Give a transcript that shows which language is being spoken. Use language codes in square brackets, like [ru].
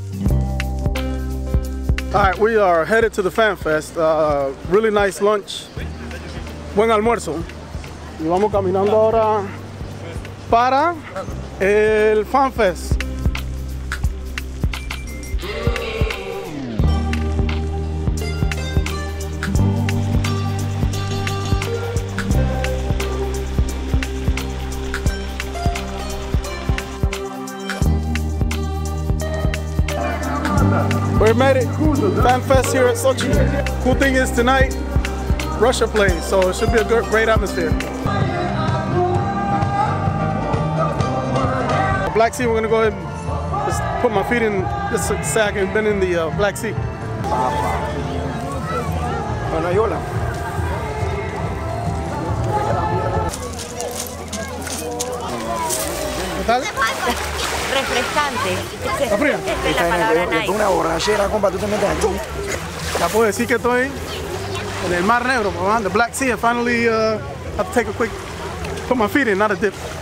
[en] All right, we are headed to the Fan Fest. Really nice lunch. [es] Buen almuerzo. Y vamos caminando ahora para el Fan Fest. [en] We made it. Fan Fest here at Sochi. Cool thing is tonight, Russia plays, so it should be a great atmosphere. Black Sea, we're gonna go ahead and just put my feet in, just so I can bend in the Black Sea. [es] Bueno, hola. Refrescante. ¿Está fría? Esta es la palabra. Una borrachera, compa, tú te metes aquí. Ya puedo decir que estoy en el Mar Negro, papá. [en] The Black Sea. I finally have to take a quick, put my feet in, not a dip.